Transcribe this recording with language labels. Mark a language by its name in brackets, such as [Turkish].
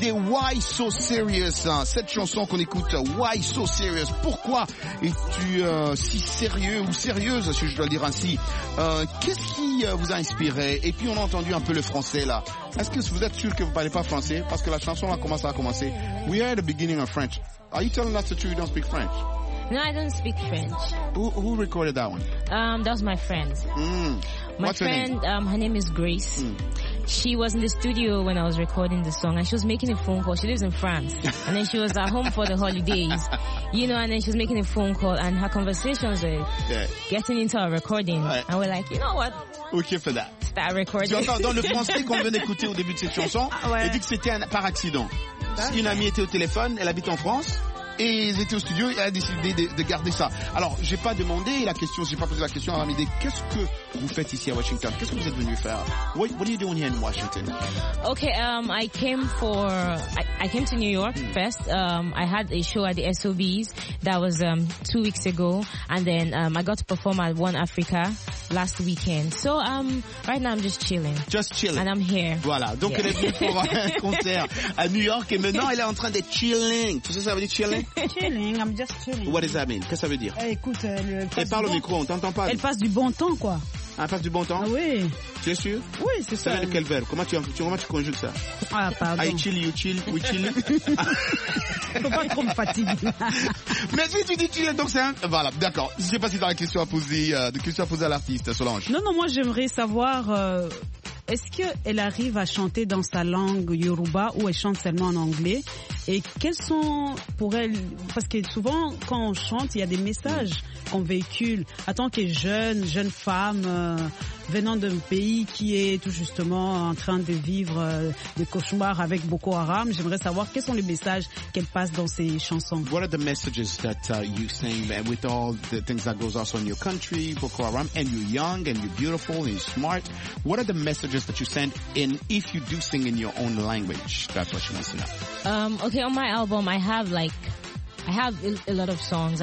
[French] Why So Serious, hein. Cette chanson qu'on écoute, Why So Serious, pourquoi es-tu si sérieux ou sérieuse, si je dois le dire ainsi. Qu'est-ce qui vous a inspiré? Et puis on a entendu un peu le français là. Est-ce que vous êtes sûr que vous parlez pas français? Parce que la chanson a commencé à commencer. [English] We are at the beginning of French. Are you telling us that you don't speak French? No, I don't speak French. Who recorded that one? That was my friend. Mm. My What's friend, her name? Her name is Grace. Mm. She was in the studio when I was recording the song and she was making a phone call. She lives in France and then she was at home for the holidays, you know, and then she was making a phone call and her conversations were getting into our recording. [French] Ouais. [English] And we're like, you know what? Okay for that. Start recording. [French] Tu entends dans le français qu'on vient d'écouter au début de cette chanson, ouais. Elle dit que c'était par accident. Si une amie était au téléphone, elle habite en France. et ils étaient au studio et elle a décidé de garder ça. Alors, j'ai pas demandé la question, j'ai pas posé la question à Ramide. Qu'est-ce que vous faites ici à Washington? Qu'est-ce que vous êtes venu faire? [English] What are you doing here in Washington? Okay, I came to New York first. I had a show at the SOBs that was 2 weeks ago, and then I got to perform at One Africa last weekend. So right now I'm just chilling. Just chilling. And I'm here. [French] Voilà. Donc yeah. Elle est venue pour un concert à New York et maintenant elle est en train de chilling. Tu sais ça veut dire chilling? [English] Chilling. I'm just chilling. What does that mean? [French] Qu'est-ce que ça veut dire? Écoute, elle parle au micro, on t'entend pas. Elle passe du bon temps quoi. Elle passe du bon temps? Ah oui. Tu es sûr? Oui, c'est ça. Ça veut dire quel verbe? Comment tu conjugues ça? Ah pardon. [English] I chill, you chill, we chill. [French] Faut pas trop me fatiguer. Mais si tu dis chill, donc c'est un... Voilà, d'accord. Je sais pas si t'as une question à poser, à l'artiste Solange. Non, moi j'aimerais savoir, est-ce qu'elle arrive à chanter dans sa langue Yoruba ou elle chante seulement en anglais? Et quels sont pour elle, parce que souvent quand on chante, il y a des messages qu'on véhicule. En tant que jeune femme, venant d'un pays qui est tout justement en train de vivre des cauchemars avec Boko Haram, j'aimerais savoir quels sont les messages qu'elle passe dans ses chansons. [English] What are the messages that you sing with all the things that goes on in your country, Boko Haram, and you're young and you're beautiful and you're smart? What are the messages that you send in if you do sing in your own language? That's what she wants to know. Okay, on my album, I have a lot of songs.